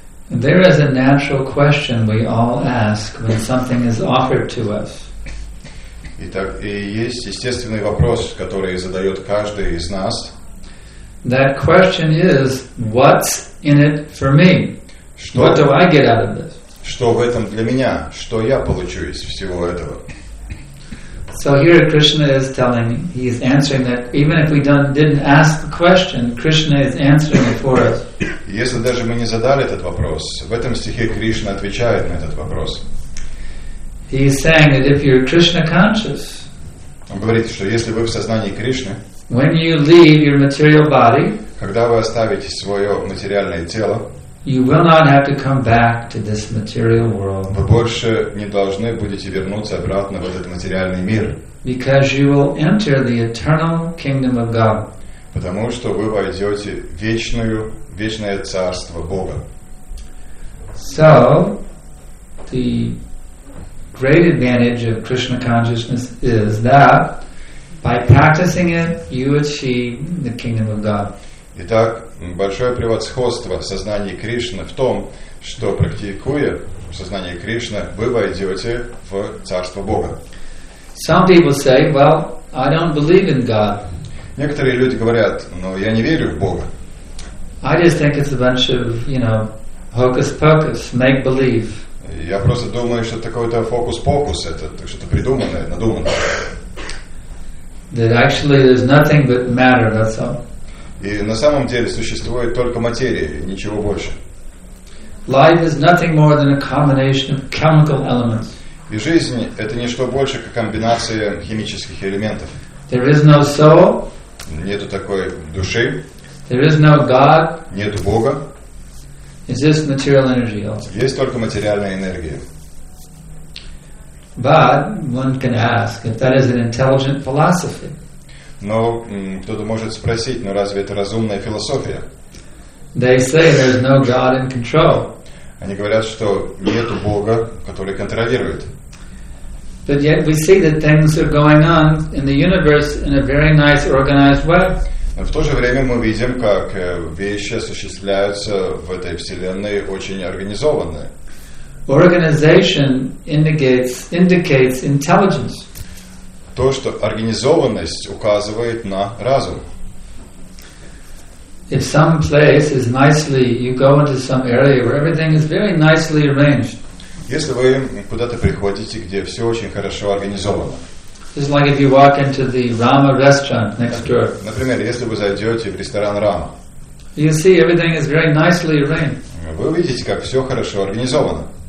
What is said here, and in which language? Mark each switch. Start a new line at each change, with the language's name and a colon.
English: There is a natural question we all ask when something is offered to us.
Russian: Итак, и есть естественный вопрос, который задает каждый из нас.
English: That question is, what's in it for me?
Russian: Что,
English: what do I get out of this?
Russian: Что в этом для меня? Что я получу из всего этого?
English: So here Krishna is telling, he is answering that even if we didn't ask the question, Krishna is answering it for us.
Russian: Если даже мы не задали этот вопрос, в этом стихе Кришна отвечает на этот вопрос.
English: He is saying that if you're Krishna conscious,
Russian: он говорит, что если вы в сознании Кришны,
English: when you leave your material body,
Russian: когда вы оставите свое материальное тело,
English: you will not have to come back to this material world.
Russian: Вы больше не должны будете вернуться обратно в этот материальный мир.
English: Because you will enter the eternal kingdom of God.
Russian: Потому что вы войдете в вечное царство Бога.
English: So, the great advantage of Krishna consciousness is that by practicing it, you achieve the kingdom of God.
Russian: Итак, большое превосходство в сознании Кришны в том, что практикуя в сознании Кришны, вы войдете в Царство Бога.
English: Some people say, well, I don't believe in God.
Russian: Некоторые люди говорят, но я не верю в Бога.
English: I just think it's a bunch of, you know, hocus-pocus, make-believe.
Russian: Я просто думаю, что это какой-то фокус-покус, это что-то придуманное, надуманное.
English: That actually there's nothing but matter, that's all.
Russian: И на самом деле существует только материя, и ничего больше.
English: Life is nothing more than a combination of chemical elements.
Russian: И жизнь — это не что больше, как комбинация химических элементов.
English: There is no soul.
Russian: Нету такой души.
English: There is no God.
Russian: Нету Бога.
English: Is this material energy also?
Russian: Есть только материальная энергия.
English: But one can ask if that is an intelligent philosophy.
Russian: Но кто-то может спросить, ну разве это разумная философия?
English: They say there's no God in control.
Russian: Они говорят, что нету Бога, который контролирует.
English: But yet we see that things are going on in the universe in a very nice organized way.
Russian: Но в то же время мы видим, как вещи осуществляются в этой вселенной очень организованно.
English: Organization indicates intelligence.
Russian: То, что организованность указывает на разум.
English: If some place is nicely, you go into some area where everything is very nicely arranged.
Russian: Если вы куда-то приходите, где все очень хорошо организовано.
English: It's like if you walk into the Rama restaurant next door.
Russian: Например, если вы зайдете в ресторан Рама.
English: You see everything is very nicely arranged.
Russian: Вы увидите, как все хорошо организовано.